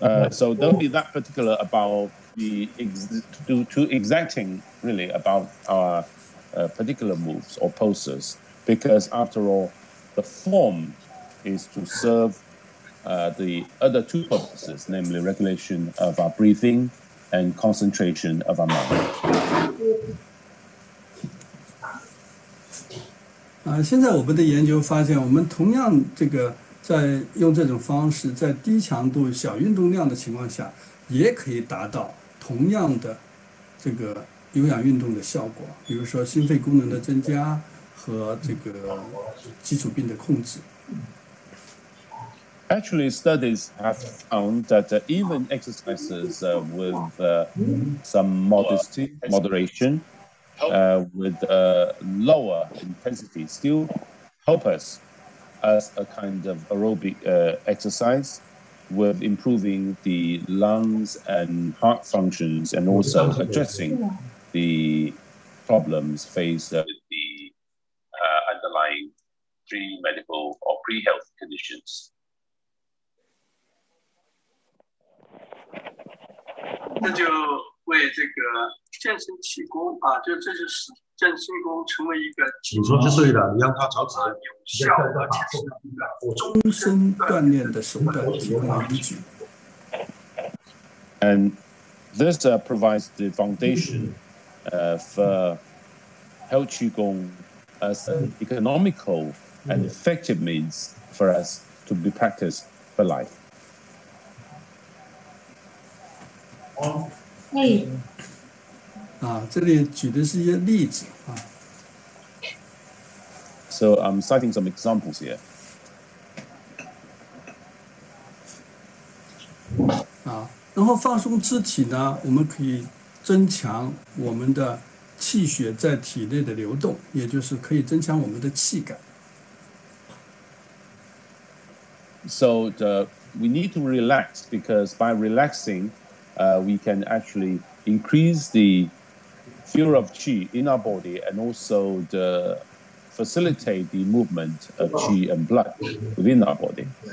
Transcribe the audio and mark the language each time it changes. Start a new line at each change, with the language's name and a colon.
English: So don't be that particular about the too exacting really about our particular moves or poses, because after all, the form is to serve the other two purposes, namely regulation of our breathing and concentration of our mind.
Chinese: 现在我们的研究发现，我们同样这个在用这种方式，在低强度、小运动量的情况下，也可以达到同样的这个有氧运动的效果，比如说心肺功能的增加和这个基础病的控制。
English: Actually, studies have found that even exercises with some moderation, with lower intensity, still help us as a kind of aerobic exercise with improving the lungs and heart functions and also addressing the problems faced with the underlying pre-medical or pre-health conditions.
Chinese: 那就为这个健身气功啊，就这就是健身气功成为一个你说是对的，你让他早止，有效而且是终身锻炼的手段提供依据。
English: And this provides the foundation for Health Qigong as an economical and effective means for us to be practiced for life.
Chinese: 这里举的是一些例子啊。
English: So I'm citing some examples here.
Chinese: 然后放松肢体呢，我们可以增强我们的气血在体内的流动，也就是可以增强我们的气感。
English: So we need to relax because by relaxing, we can actually increase the flow of qi in our body and also the facilitate the movement of qi and blood within our body.